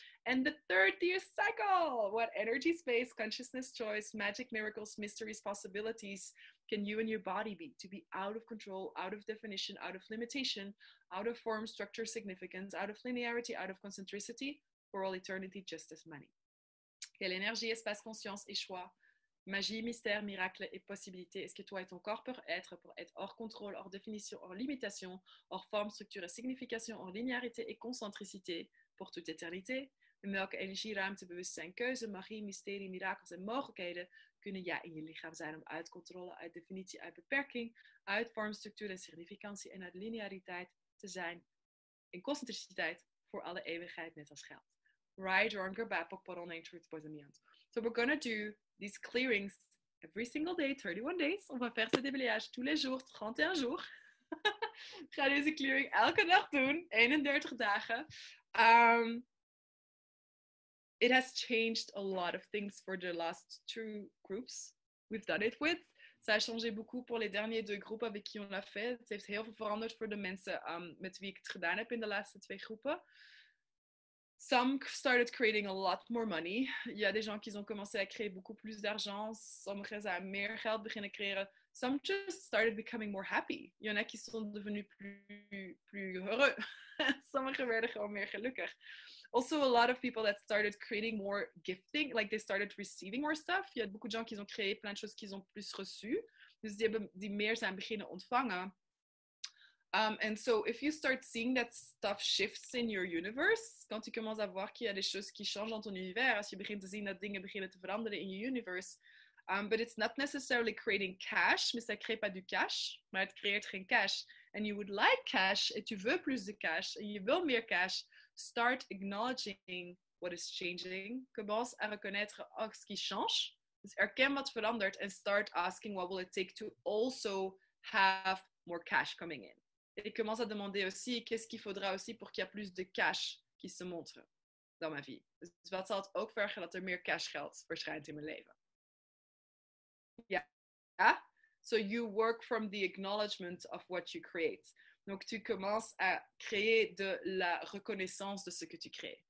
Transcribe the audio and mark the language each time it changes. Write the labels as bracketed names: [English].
[English] And the 3rd-tier cycle! What energy, space, consciousness, choice, magic, miracles, mysteries, possibilities can you and your body be to be out of control, out of definition, out of limitation, out of form, structure, significance, out of linearity, out of concentricity? For all eternity, just as money. [French] Quelle énergie, espace, conscience et choix, magie, mystère, miracle et possibilité est-ce que toi et ton corps pour être hors contrôle, hors définition, hors limitation, hors forme, structure et signification, hors linéarité et concentricité pour toute éternité? [Dutch] Welke energie, ruimte, bewustzijn, keuze, magie, mysterie, miracles en mogelijkheden kunnen jij in je lichaam zijn om uit controle, uit definitie, uit beperking, uit vorm, structuur en significantie en uit lineariteit te zijn in concentriciteit voor alle eeuwigheid, net als geld? [English] Right, wrong, or bad, but on truth, boys and me. So we're going to do these clearings every single day, 31 days. [French] On va faire ce déblayage tous les jours, 31 jours. [Dutch] We gaan deze clearing elke dag doen, 31 dagen. [English] It has changed a lot of things for the last 2 groups we've done it with. [French] Ça a changé beaucoup pour les derniers 2 groupes avec qui on l'a fait. [Dutch] Het heeft heel veel veranderd voor de mensen met wie ik het gedaan heb in de laatste 2 groepen. [English] Some started creating a lot more money. [French] Il y a des gens qui ont commencé à créer beaucoup plus d'argent. [Dutch] Sommigen zijn meer geld beginnen creëren. [English] Some just started becoming more happy. [French] Il y en a qui sont devenus plus heureux. [Dutch] Sommigen werden gewoon meer gelukkig. [English] Also, a lot of people that started creating more gifting, like they started receiving more stuff. [French] Il y a beaucoup de gens qui ont créé plein de choses qu'ils ont plus reçues. [Dutch] Dus die meer zijn beginnen ontvangen. [English] And so, if you start seeing that stuff shifts in your universe, [French] quand tu commences à voir qu'il y a des choses qui changent dans ton univers, [Dutch] als je begint te zien dat dingen beginnen te veranderen in je universe, [English] but it's not necessarily creating cash, [French] mais ça crée pas du cash, [Dutch] maar het creëert geen cash. [English] And you would like cash, [French] et tu veux plus de cash, [Dutch] et je wil meer cash, [English] start acknowledging what is changing. [French] Commence à reconnaître ce qui change. [Dutch] Dus erken wat verandert [English] and start asking what will it take to also have more cash coming in. [French] Et commence à demander aussi qu'est-ce qu'il faudra aussi pour qu'il y ait plus de cash qui se montre dans ma vie. [Dutch] Dus wat zal het ook vergen dat er meer cash geld verschijnt in mijn leven? [English] Ja. Yeah. So you work from the acknowledgement of what you create. [French] Donc, tu commences à créer de la reconnaissance de ce que tu crées.